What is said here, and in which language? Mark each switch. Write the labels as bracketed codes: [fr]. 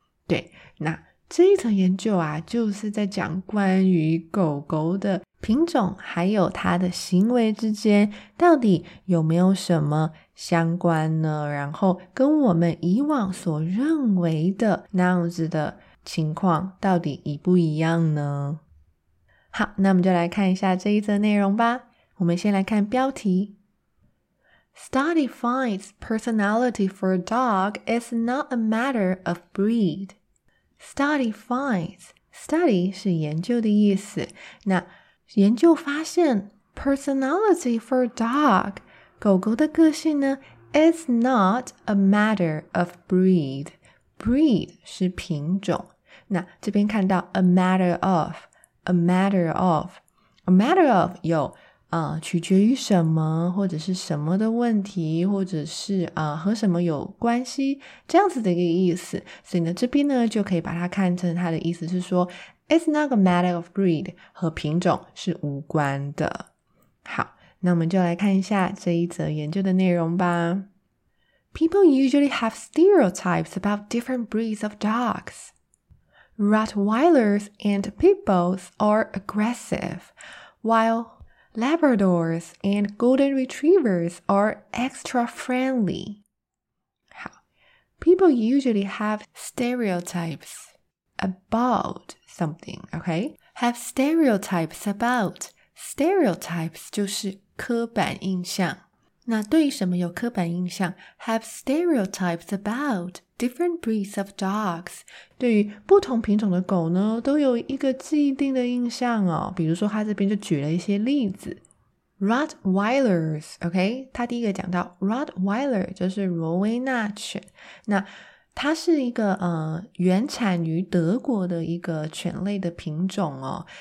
[zh] 对，那这一层研究啊就是在讲关于狗狗的品种还有它的行为之间到底有没有什么相关呢，然后跟我们以往所认为的那样子的情况到底一不一样呢？好，那我们就来看一下这一则内容吧。我们先来看标题。 [en] Study finds personality for a dog is not a matter of breed. Study finds. [zh] Study 是研究的意思。那研究发现 [en] personality for a dog, [zh] 狗狗的个性呢 [en] is not a matter of breed. [zh] Breed 是品种。那这边看到 [en] a matter of a matter of. [zh] A matter of 有取决于什么，或者是什么的问题，或者是和什么有关系，这样子的一个意思。所以呢，这边呢就可以把它看成它的意思是说 [en] It's not a matter of breed, [zh] 和品种是无关的。好，那我们就来看一下这一则研究的内容吧。 [en] People usually have stereotypes about different breeds of dogs. Rottweilers and pit bulls are aggressive, while Labradors and Golden Retrievers are extra friendly. 好 People usually have stereotypes about something, okay? Have stereotypes about. [zh] Stereotypes 就是刻板印象。那对什么有刻板印象 [en] ?Have stereotypes about different breeds of dogs. [zh] 对于不同品种的狗呢都有一个既定的印象哦。比如说他这边就举了一些例子。 [en] Rottweilers, OK? [zh] 他第一个讲到 Rottweiler 就是罗威纳犬。那它是一个原产于德国的一个犬类的品种哦。